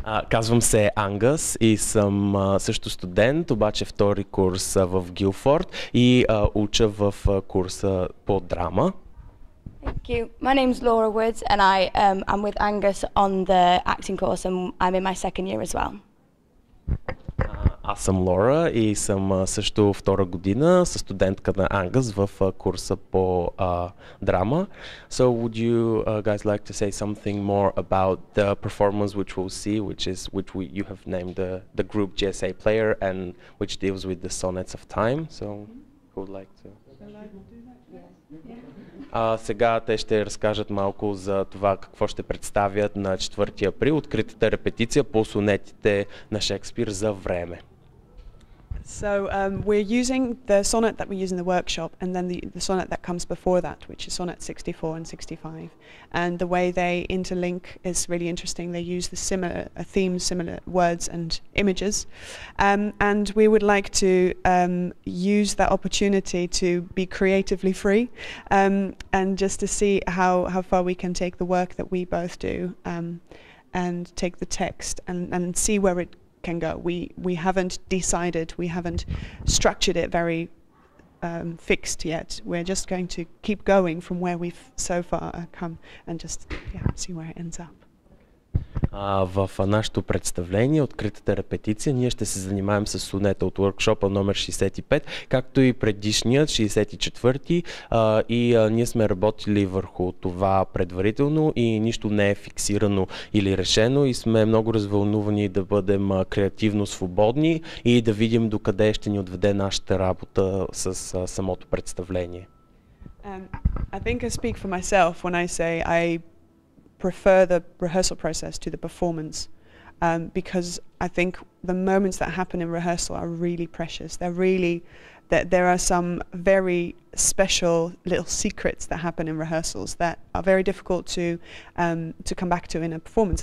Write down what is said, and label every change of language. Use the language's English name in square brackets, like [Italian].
[Bulgarian] Казвам се Ангас и съм също студент, обаче втори курс в Гилфорд и уча в курса по драма. [English] Thank you. My name's Laura Woods and I'm with Angus on the acting course and I'm in my second year as well. [Bulgarian] Аз съм Лора и съм също втора година със студентка на Ангас в курса по драма. [English] So would you guys like to say something more about the performance which we'll see, you have named the group GSA player and which deals with the sonnets of time? So who would like to? [Bulgarian] Сега те ще разкажат малко за това какво ще представят на 4 април, откритата репетиция по сонетите на Шекспир за време. [English] So we're using the sonnet that we use in the workshop and then the sonnet that comes before that, which is sonnet 64 and 65. And the way they interlink is really interesting. They use the similar themes, similar words and images. And we would like to use that opportunity to be creatively free and just to see how far we can take the work that we both do and take the text and see where it can go. We haven't decided, we haven't structured it very fixed yet. We're just going to keep going from where we've so far come and just see where it ends up. [Bulgarian] В нашето представление, откритата репетиция, ние ще се занимаваем с сонета от уъркшопа номер 65, както и предишният 64-ти, и ние сме работили върху това предварително и нищо не е фиксирано или решено, и сме много развълнувани да бъдем креативно свободни и да видим докъде ще ни отведе нашата работа с самото представление. [English] I think I speak for myself when I say I prefer the rehearsal process to the performance because I think the moments that happen in rehearsal are really precious. They're really that there are some very special little secrets that happen in rehearsals that are very difficult to come back to in a performance.